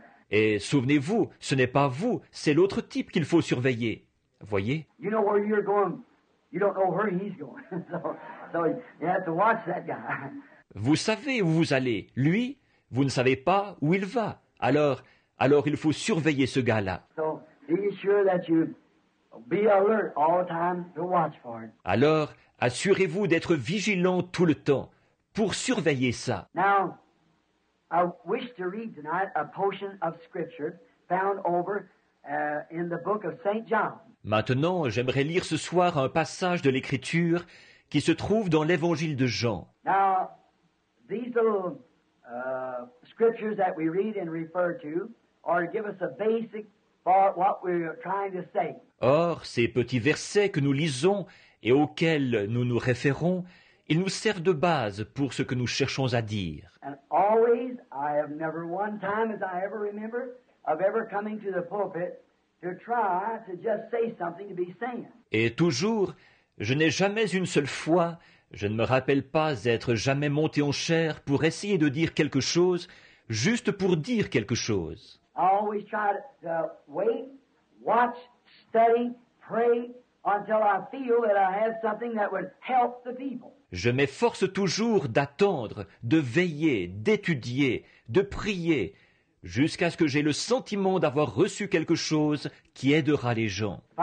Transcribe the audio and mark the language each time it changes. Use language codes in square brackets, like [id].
[fr] Et souvenez-vous, ce n'est pas vous, c'est l'autre type qu'il faut surveiller. Voyez. [en] You know where you're going. You don't know where he's going. So you have to watch that guy. [fr] Vous savez où vous allez. Lui, vous ne savez pas où il va. Alors il faut surveiller ce gars-là. [en] So be sure that you be alert all the time to watch for it. [fr] Alors assurez-vous d'être vigilant tout le temps pour surveiller ça. [en] Now, I wish to read tonight a portion of scripture found over in the book of Saint John. [fr] Maintenant, j'aimerais lire ce soir un passage de l'Écriture qui se trouve dans l'Évangile de Jean. [en] Now, these little scriptures that we read and refer to are give us a basic for what we're trying to say. [fr] Or, ces petits versets que nous lisons et auxquels nous nous référons, ils nous servent de base pour ce que nous cherchons à dire. [en] And always, I have never one time, as I ever remember, of ever coming to the pulpit to try to just say something to be saying. [fr] Et toujours, je n'ai jamais une seule fois, je ne me rappelle pas être jamais monté en chair pour essayer de dire quelque chose, juste pour dire quelque chose. [en] I always try to wait, watch, study, pray until I feel that I have something that would help the people. [fr] Je m'efforce toujours d'attendre, de veiller, d'étudier, de prier, jusqu'à ce que j'ai le sentiment d'avoir reçu quelque chose qui aidera les gens.